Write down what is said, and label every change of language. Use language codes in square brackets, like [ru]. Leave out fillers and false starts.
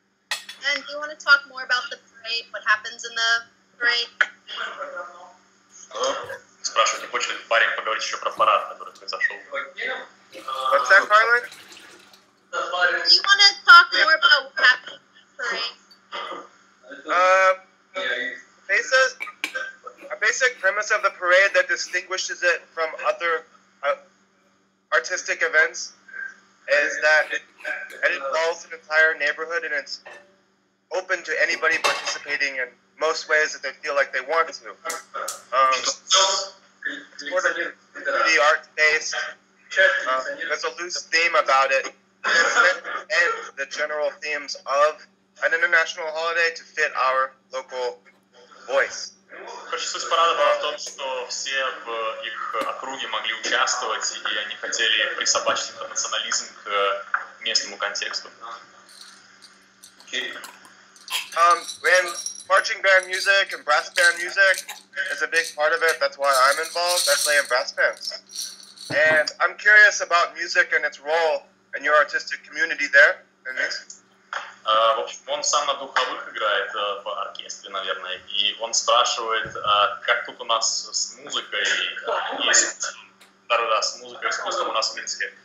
[en] And do you want to talk more about the parade? What happens in the parade? [ru] Спрашивает, не хочет ли парень поговорить еще про парад, который произошел? [en] What's that, Carla? Do you want to talk more about what happened in the parade? A basic premise of the parade that distinguishes it from other artistic events is that it involves an entire neighborhood and it's open to anybody participating in most ways that they feel like they want to. Sort of the art based. There's a loose theme about it. It's meant to end the general themes of an international holiday to fit our local voice. [ru] Короче, суть парада была в том, что все в их округе могли участвовать, и они хотели присобачить интернационализм к местному контексту. [en] Okay. When marching band music and brass band music is a big part of it, that's why I'm involved. I play in brass bands. And I'm curious about music and its role in your artistic community there. [ru] В общем, он сам на духовых играет в оркестре, наверное, и он спрашивает, как тут у нас с музыкой с музыкой, искусством у нас в Минске.